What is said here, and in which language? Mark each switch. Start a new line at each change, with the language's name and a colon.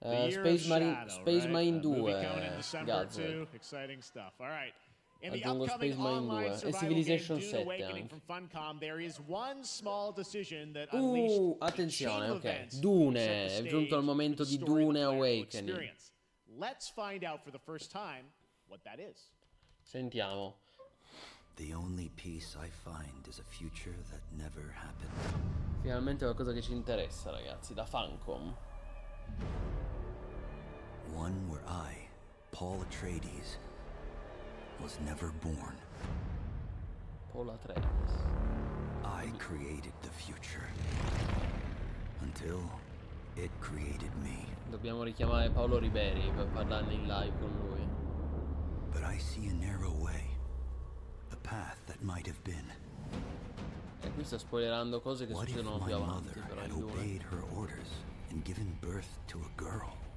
English: Space Marine 2. Gadget. Exciting stuff. All right.
Italian: Aggiungo Space Marine 2 e Civilization 7 anche. Attenzione, ok. Dune, è giunto il momento di Dune Awakening.
English: Let's find out for the first time what that is.
Italian: Sentiamo.
English: The only piece I find is a future that never happened.
Italian: Finalmente qualcosa che ci interessa, ragazzi, da Funcom.
English: One where I, Paul Atreides, was never born. Paul Atreides. I created the future. Until it created me.
Italian: Dobbiamo richiamare Paolo Ribeiro per parlarne in live con lui.
English: But I see a narrow way. A path that might have been.
Italian: E qui sta spoilerando cose che succedono più avanti, però
English: obeyed her orders and given birth to a girl.